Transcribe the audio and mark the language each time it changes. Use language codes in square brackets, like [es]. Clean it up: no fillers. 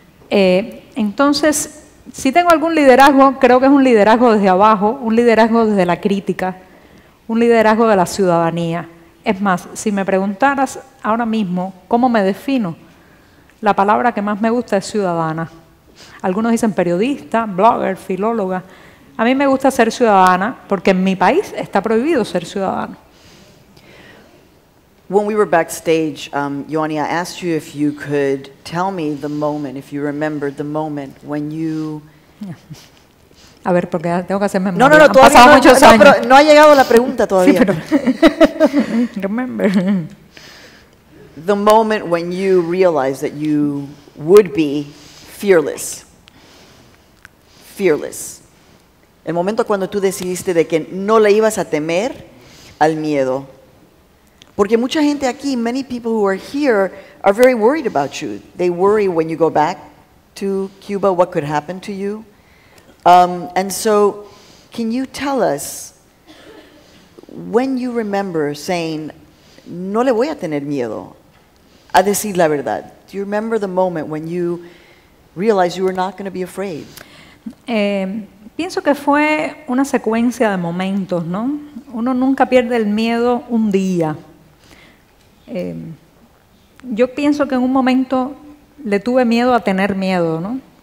[es] Entonces, si tengo algún liderazgo, creo que es un liderazgo desde abajo, un liderazgo desde la crítica, un liderazgo de la ciudadanía. Es más, si me preguntaras ahora mismo cómo me defino, la palabra que más me gusta es ciudadana. Algunos dicen periodista, blogger, filóloga. A mí me gusta ser ciudadana porque en mi país está prohibido ser ciudadano. [en] When we were backstage, Yoani, I asked you if you could tell me the moment, if you remembered the moment when you... [es] A ver, porque tengo que hacer memoria. todavía pasado no, muchos años. No, pero no ha llegado la pregunta todavía. Sí, pero... [en] Remember. The moment when you realized that you would be fearless. Fearless. [es] El momento cuando tú decidiste de que no le ibas a temer al miedo. Porque mucha gente aquí, [en] many people who are here, are very worried about you. They worry when you go back to Cuba, what could happen to you. And so, can you tell us, when you remember saying, [es] no le voy a tener miedo a decir la verdad? [en] Do you remember the moment when you realized you were not going to be afraid? [es] Pienso que fue una secuencia de momentos, ¿no? Uno nunca pierde el miedo un día. Yo pienso que en un momento le tuve miedo a tener miedo, ¿no?